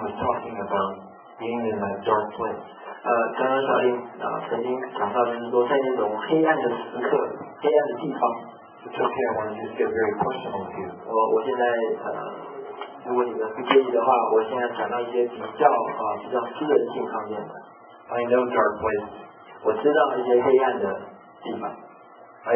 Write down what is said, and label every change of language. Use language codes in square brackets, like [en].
[en] was talking about being in a dark place. [zh] 刚刚小英曾经讲到，就是说在那种黑暗的时刻、黑暗的地方。 [en] It's okay, I want to just get very personal with you. [zh] 我现在，如果你们不介意的话，我现在讲到一些比较私人性方面的。 [en] I know dark places. [zh] 我知道一些黑暗的地方。 [en] I